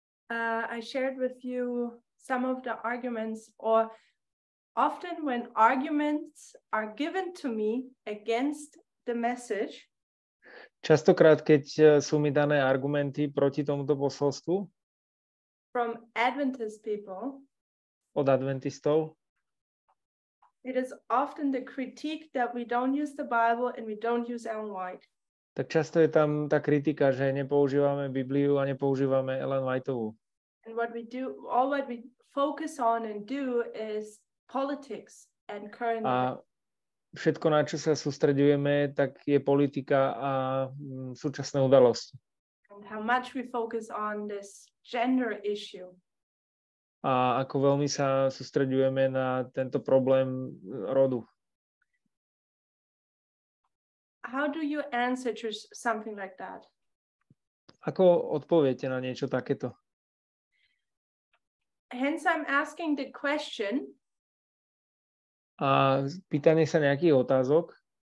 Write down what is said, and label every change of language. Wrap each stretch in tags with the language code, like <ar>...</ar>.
<en>I shared with you some of the arguments, or often when arguments are given to me against the message,</en> <sk>častokrát, keď sú mi dané argumenty proti tomuto posolstvu</sk> <en>from Adventist people,</en> <sk>od adventistov,</sk> <en>it is often the critique that we don't use the Bible and we don't use Ellen White.</en> <sk>Tak často je tam tá kritika, že nepoužívame Bibliu a nepoužívame Ellen Whiteovú.</sk> <en>And what we do, all what we focus on and do is politics and current.</en> <sk>Všetko, na čo sa sústreďujeme, tak je politika a súčasné udalosti.</sk> <en>How much we focus on this gender issue.</en> <sk>A ako veľmi sa sústreďujeme na tento problém rodu.</sk> <en>How do you answer to something like that?</en> <sk>Ako odpoviete na niečo takéto?</sk> <en>Hence I'm asking the question.</en> <sk>A pýtanie sa nejakých otázok.</sk>